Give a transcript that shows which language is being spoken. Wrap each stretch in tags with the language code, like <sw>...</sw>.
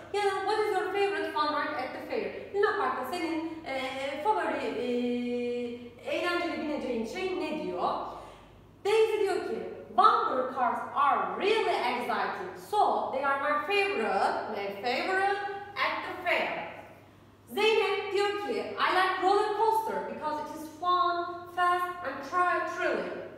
<tr>Ya da</tr> <en>what is your favorite fun ride at the fair?</en> <tr>Luna Park'ta senin favori eğlenceli bineceğin şey ne diyor?</tr> <en>Daisy</en> <tr>diyor ki</tr> <en>bumper cars are really exciting. So they are my favorite at the fair. Zeynep</en> <tr>diyor ki</tr> <en>I like roller coaster because it is fun, fast and thrilling.</en>